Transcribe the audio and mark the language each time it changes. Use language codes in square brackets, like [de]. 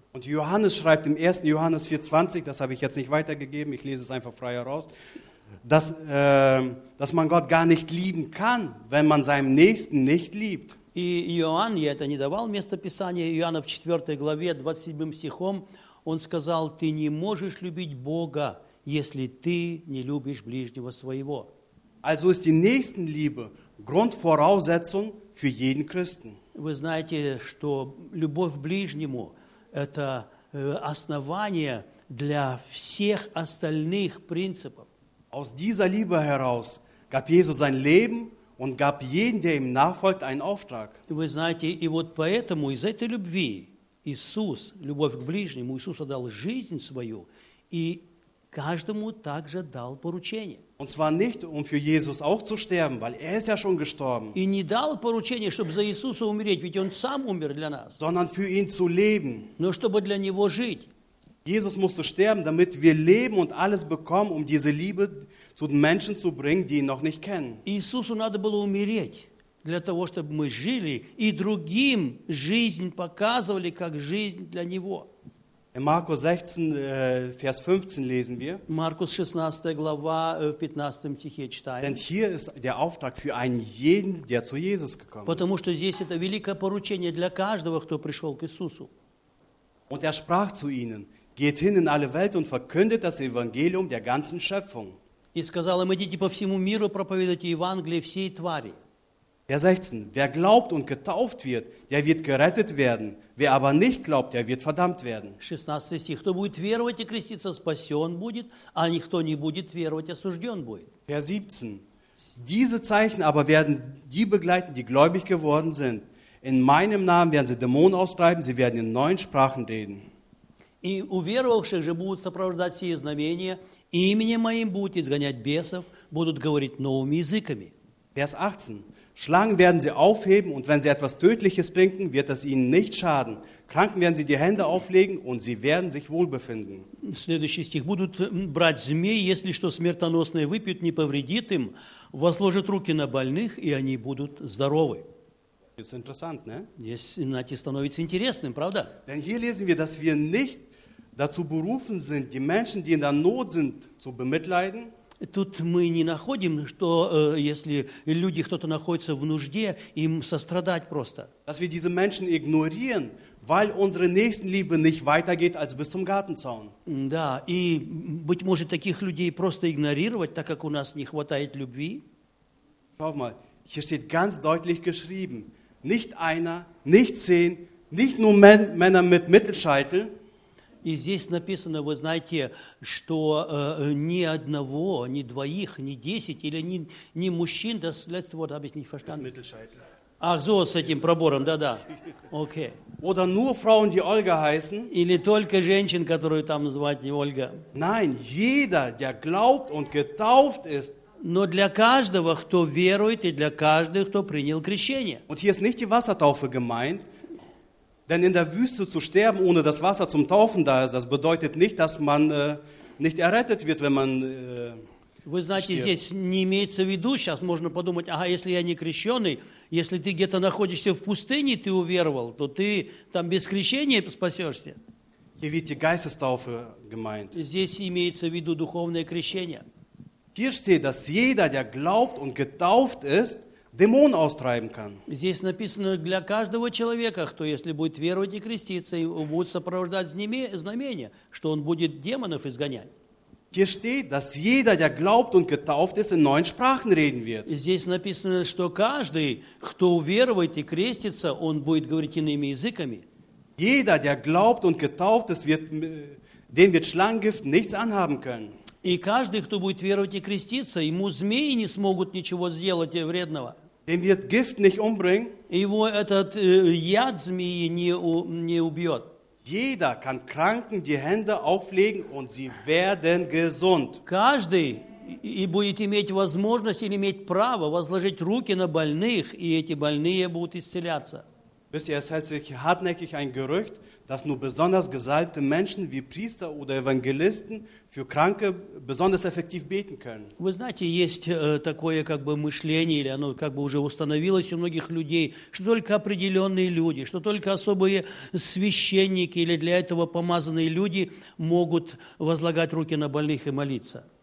[de] Und Johannes schreibt im 1. Johannes 4:20, das habe ich jetzt nicht weitergegeben, ich lese es einfach frei heraus. dass man Gott gar nicht lieben kann, wenn man seinem Nächsten nicht liebt. [ru] И Иоанн, я это не давал место Писания, Иоанна в 4 главе, 27 стихом, он сказал, ты не можешь любить Бога, если ты не любишь ближнего своего. [de] Also ist die Nächstenliebe Grundvoraussetzung für jeden Christen. [ru] Вы знаете, что любовь к ближнему – это основание для всех остальных принципов. [de] Aus dieser Liebe heraus gab Jesus sein Leben und gab jedem, der ihm nachfolgt, einen Auftrag. [ru] Вы знаете, и вот поэтому из этой любви Иисус, любовь к ближнему, Иисус отдал жизнь свою и каждому также дал поручение. [de] Und zwar nicht, um für Jesus auch zu sterben, weil er ist ja schon gestorben. [ru] И не дал поручение, чтобы за Иисуса умереть, ведь он сам умер для нас. [de] Sondern für ihn zu leben. [ru] Но чтобы для него жить. [de] Jesus musste sterben, damit wir leben und alles bekommen, um diese Liebe zu den Menschen zu bringen, die ihn noch nicht kennen. [ru] Иисусу надо было умереть для того, чтобы мы жили и другим жизнь показывали как жизнь для него. [de] In Markus 16, Vers 15 lesen wir. [ru] Markus 16, глава, 15 стихе читаем. [de] Denn hier ist der Auftrag für einen jeden, der zu Jesus gekommen ist. [ru] Потому что здесь это великое поручение для каждого, кто пришел к Иисусу. [de] Und er sprach zu ihnen, geht hin in alle Welt und verkündet das Evangelium der ganzen Schöpfung. [ru] И сказал им, идите по всему миру, проповедуйте Евангелие всей твари. [de] Vers 16, wer glaubt und getauft wird, der wird gerettet werden. Wer aber nicht glaubt, der wird verdammt werden. [ru] 16 стих, кто будет веровать и креститься, спасен будет, а никто не будет веровать, осужден будет. [de] Vers 17, diese Zeichen aber werden die begleiten, die gläubig geworden sind. In meinem Namen werden sie Dämonen austreiben, sie werden in neuen Sprachen reden. [ru] И у веровавших же будут сопровождать сие знамения, именем моим будут изгонять бесов, будут говорить новыми языками. [de] Vers 18, Schlangen werden sie aufheben und wenn sie etwas Tödliches trinken, wird das ihnen nicht schaden. Kranken werden sie die Hände auflegen und sie werden sich wohlbefinden. [ru] Следующий стих. Будут брать змей, если что смертоносное выпьют, не повредит им. Возложат руки на больных, и они будут здоровы. [de] Das ist interessant, ne? [ru] Здесь, знаете, становится интересным, правда? [de] Denn hier lesen wir, dass wir nicht dazu berufen sind, die Menschen, die in der Not sind, zu bemitleiden. [ru] Тут мы не находим, что если люди, кто-то находится в нужде, им сострадать просто. [de] Dass wir diese Menschen ignorieren, weil unsere Nächstenliebe nicht weitergeht als bis zum Gartenzaun. [ru] Да, и быть может, таких людей просто игнорировать, так как у нас не хватает любви. [de] Schau mal, hier steht ganz deutlich geschrieben, nicht einer, nicht zehn, nicht nur Männer mit Mittelscheitel. [ru] И здесь написано, вы знаете, что ни одного, ни двоих, ни десять, или ни мужчин, [de] das letzte Wort habe ich nicht verstanden. Ach so, [ru] с этим пробором, да-да. Okay. [de] Oder nur Frauen, die Olga heißen. [ru] Или только женщин, которую там звать Ольга. [de] Nein, jeder, der glaubt und getauft ist. [ru] Но для каждого, кто верует, и для каждого, кто принял крещение. [de] Und hier ist nicht die Wassertaufe gemeint. Denn in der Wüste zu sterben, ohne dass Wasser zum Taufen da ist, das bedeutet nicht, dass man nicht errettet wird, wenn man [ru] Вы знаете, [de] stirbt. [ru] Здесь не имеется в виду, сейчас можно подумать, ага, если я не крещеный, если ты где-то находишься в пустыне, ты уверовал, то ты там без крещения спасешься. [de] Hier wird die Geistestaufe gemeint. [ru] Здесь имеется в виду духовное крещение. [de] Hier steht, dass jeder, der glaubt und getauft ist, Dämonen austreiben kann. [ru] Здесь написано для каждого человека, кто если будет веровать и креститься, и будет сопровождать знамения, что он будет демонов изгонять. [de] Hier steht, dass jeder, der glaubt und getauft ist, in neuen Sprachen reden wird. [ru] Здесь написано, что каждый, кто уверовывает и крестится, он будет говорить иными языками. [de] Jeder, der glaubt und getauft ist, wird, dem wird Schlangengift nichts anhaben können. [ru] И каждый, кто будет веровать и креститься, ему змеи не смогут ничего сделать вредного. [de] Den wird Gift nicht umbringen. [ru] Его этот яд змеи не убьет. [de] Jeder kann Kranken die Hände auflegen und sie werden gesund. [ru] Каждый и будет иметь возможность или иметь право возложить руки на больных, и эти больные будут исцеляться. [de] Wisst ihr, es hält sich hartnäckig ein Gerücht, dass nur besonders gesalbte Menschen wie Priester oder Evangelisten für Kranke besonders effektiv beten können. [ru] Вы знаете, есть такое как бы мышление, или оно как бы уже установилось у многих людей, что только определенные люди, что только особые священники или для этого помазанные люди могут возлагать руки на больных и молиться.